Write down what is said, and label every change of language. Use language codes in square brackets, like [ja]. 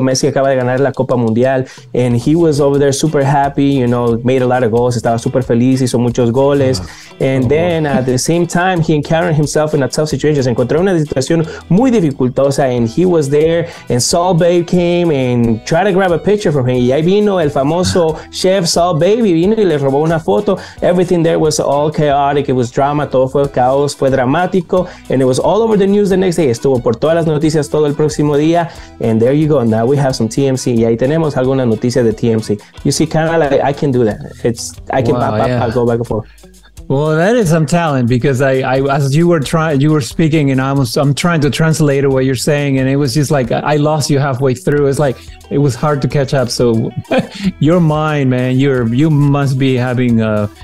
[es] Messi acaba de ganar la Copa Mundial, [en] and he was over there super happy, you know, made a lot of goals, [es] estaba super feliz, hizo muchos goles. [en] And then at the same time, he encountered himself in a tough situation. [es] Se encontró una situación muy dificultosa, [en] and he was there, and Saul Babe came and tried to grab a picture from him. [es] Y ahí vino el famoso chef Saul Babe, vino y le robó una foto. [en] Everything there was all chaotic. It was drama. [es] Todo fue caos, fue dramático, [en] and it was all over the news the next day. [es] Estuvo por todas las noticias todo el próximo día, [en] and there you go. Now we have some TMC. [es] Y ahí tenemos alguna noticia de TMC. [en] You see, kind of like I can do that. I can go back and forth. Well, that is some talent, because I as you were trying, you were speaking, and I'm trying to translate what you're saying, and it was just like I lost you halfway through. It's like it was hard to catch up. So your mind, man, you must be having a.